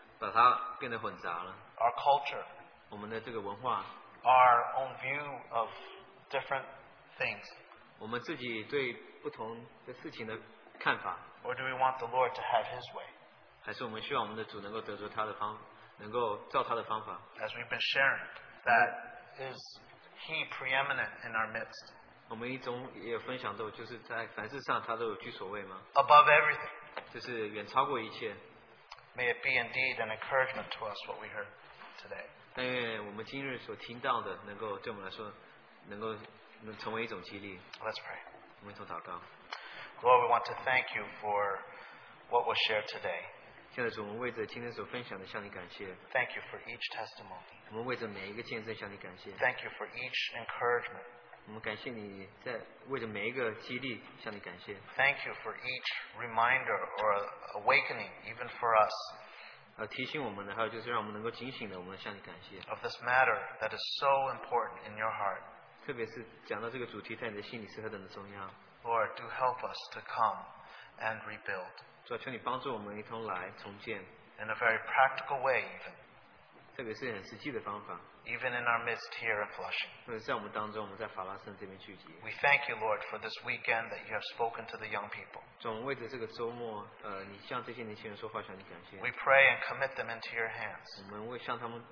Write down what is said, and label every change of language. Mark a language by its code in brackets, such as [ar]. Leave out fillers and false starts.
[zh] 我们有没有因为我们不同的背景把它变得混杂了? [en] Our culture, [zh] 我们的这个文化, [en] our own view of different things, [zh] 我们自己对不同的事情的看法, [en] or do we want the Lord to have His way? [zh] 还是我们希望我们的主能够得着他的方，能够照他的方法。 [en] As we've been sharing, that is He preeminent in our midst. [zh] 我们一种也分享到, 就是在凡事上他都有居所位吗? [en] Above everything. [zh] 就是远超过一切。 [en] May it be indeed an encouragement to us what we heard today. [zh] 但愿我们今日所听到的能够对我们来说能够成为一种激励。 [en] Let's pray. [zh] 我们一同祷告。 [en] Lord, we want to thank you for what was shared today. [zh] 现在主，我们为着今天所分享的向你感谢。 [en] Thank you for each testimony. [zh] 我们为着每一个见证向你感谢。 [en] Thank you for each encouragement. [zh] 我们感谢你在为着每一个激励向你感谢。 [en] Thank you for each reminder or awakening, even for us. [zh] 提醒我们的，还有就是让我们能够警醒的，我们向你感谢。 [en] Of this matter that is so important in your heart. [zh] 特别是讲到这个主题，在你的心里是何等的重要。 [en] Lord, do help us to come and rebuild. [zh] 主啊，求你帮助我们一同来重建。 [en] In a very practical way, even. [zh] 特别是很实际的方法。 [en] Even in our midst here in Flushing. [zh] 或者在我们当中，我们在法拉盛这边聚集。 [en] We thank you, Lord, for this weekend that you have spoken to the young people. [zh] 总为着这个周末，你向这些年轻人说话，向你感谢。 [en] We pray and commit them into your hands.